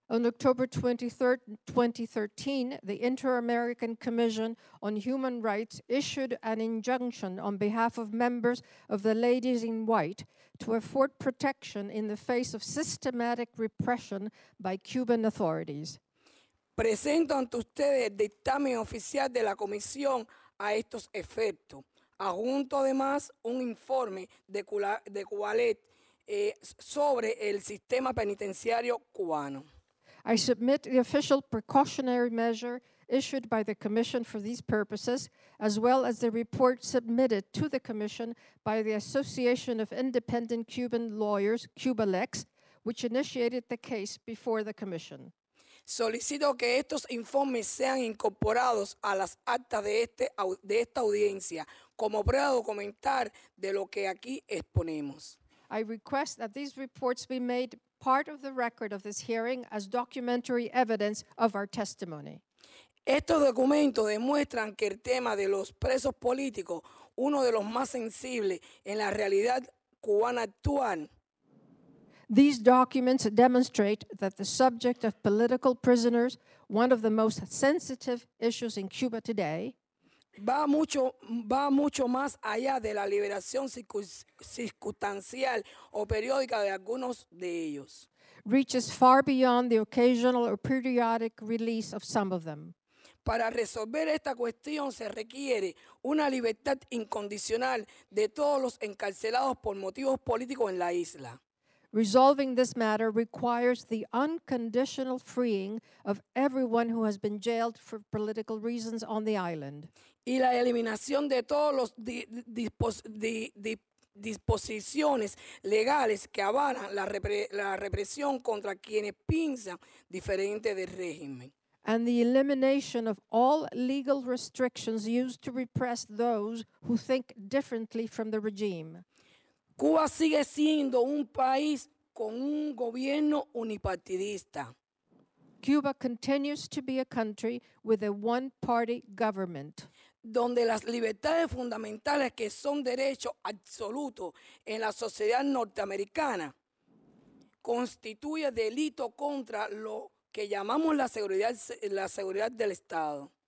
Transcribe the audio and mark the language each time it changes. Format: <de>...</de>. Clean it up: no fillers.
<en>On October 23, 2013, the Inter-American Commission on Human Rights issued an injunction on behalf of members of the Ladies in White to afford protection in the face of systematic repression by Cuban authorities.</en> <es>Presento ante ustedes el dictamen oficial de la Comisión a estos efectos. Adjunto además un informe de Cubalet sobre el sistema penitenciario cubano.</es> <en>I submit the official precautionary measure issued by the Commission for these purposes, as well as the report submitted to the Commission by the Association of Independent Cuban Lawyers, CubaLex, which initiated the case before the Commission.</en> <es>Solicito que estos informes sean incorporados a las actas de esta audiencia como prueba documental de lo que aquí exponemos.</es> <en>I request that these reports be made part of the record of this hearing as documentary evidence of our testimony.</en> <es>Estos documentos demuestran que el tema de los presos políticos, uno de los más sensibles en la realidad cubana actual.</es> <en>These documents demonstrate that the subject of political prisoners, one of the most sensitive issues in Cuba today,</en> <es>va mucho más allá de la liberación circunstancial o periódica de algunos de ellos.</es> <en>Reaches far beyond the occasional or periodic release of some of them.</en> <es>Para resolver esta cuestión se requiere una libertad incondicional de todos los encarcelados por motivos políticos en la isla.</es> <en>Resolving this matter requires the unconditional freeing of everyone who has been jailed for political reasons on the island.</en> <es>Y la eliminación de todos los disposiciones legales que avalan la represión contra quienes piensan diferente del régimen.</es> <en>And the elimination of all legal restrictions used to repress those who think differently from the regime.</en> <es>Cuba sigue siendo un país con un gobierno unipartidista.</es> <en>Cuba continues to be a country with a one-party government.</en> <es>Donde las libertades fundamentales que son derechos absolutos en la sociedad norteamericana constituye delito contra lo que llamamos la seguridad del Estado.</es>